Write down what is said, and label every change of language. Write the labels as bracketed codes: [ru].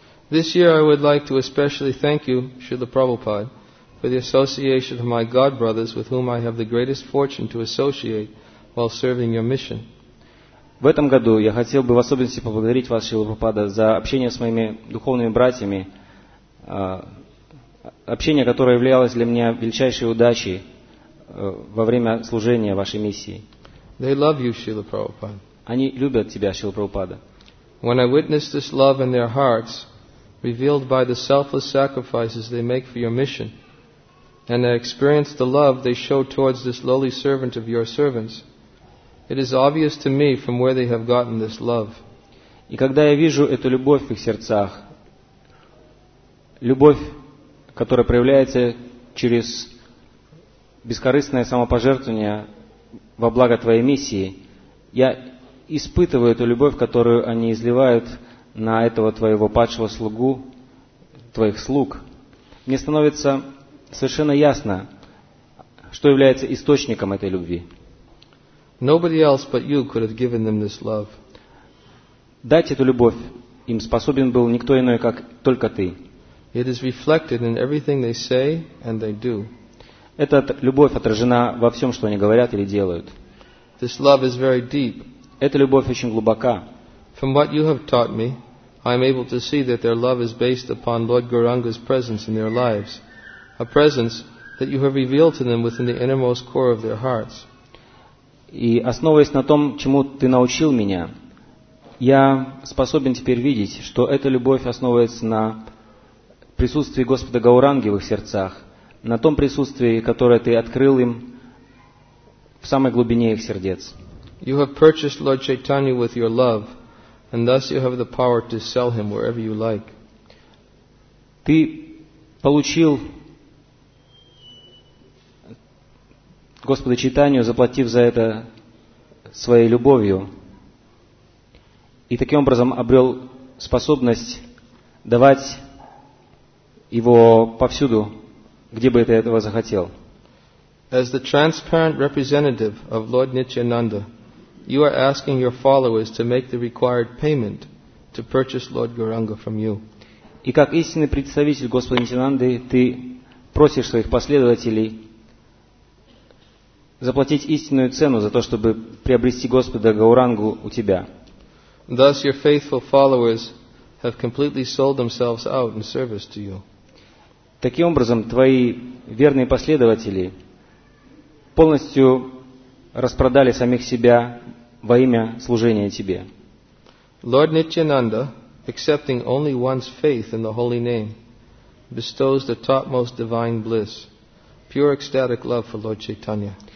[en] This year I would like to especially thank you, Srila Prabhupada, for the association of my God brothers with whom I have the greatest fortune to associate while serving your mission. [ru] В этом году я хотел бы в особенности поблагодарить вас, Шрила Прабхупада, за общение с моими духовными братьями, общение, которое являлось для меня величайшей удачей во время служения вашей миссии. [en] They love you, Srila Prabhupada. [ru] Они любят тебя, Шрила Прабхупада. [en] When I witness this love in their hearts, revealed by the selfless sacrifices they make for your mission, and I experience the love they show towards this lowly servant of your servants, it is obvious to me from where they have gotten this love. [ru] И когда я вижу эту любовь в их сердцах, любовь, которая проявляется через бескорыстное самопожертвование во благо твоей миссии, я испытываю эту любовь, которую они изливают на этого твоего падшего слугу, твоих слуг. Мне становится совершенно ясно, что является источником этой любви. [en] Nobody else but you could have given them this love. [ru] Дать эту любовь им способен был никто иной, как только ты. [en] It is reflected in everything they say and they do. [ru] Эта любовь отражена во всем, что они говорят или делают. [en] This love is very deep. [ru] Эта любовь очень глубока. [en] From what you have taught me, I am able to see that their love is based upon Lord Gauranga's presence in their lives, a presence that you have revealed to them within the innermost core of their hearts. [ru] И основываясь на том, чему ты научил меня, я способен теперь видеть, что эта любовь основывается на присутствии Господа Гауранги в их сердцах, на том присутствии, которое ты открыл им в самой глубине их сердец. [en] You have purchased Lord Chaitanya with your love, and thus you have the power to sell him wherever you like. [ru] Ты получил Господа Чайтанью, заплатив за это своей любовью, и таким образом обрел способность давать его повсюду, где бы ты этого захотел. [en] As the transparent representative of Lord Nityananda, you are asking your followers to make the required payment to purchase Lord Gauranga from you. [ru] И как истинный представитель Господа Нитьянанды, ты просишь своих последователей заплатить истинную цену за то, чтобы приобрести Господа Гаурангу у тебя. [en] Thus your faithful followers have completely sold themselves out in service to you. [ru] Таким образом, твои верные последователи полностью распродали самих себя во имя служения тебе. [en] Lord Nityananda, accepting only one's faith in the holy name, bestows the topmost divine bliss, pure ecstatic love for Lord Chaitanya.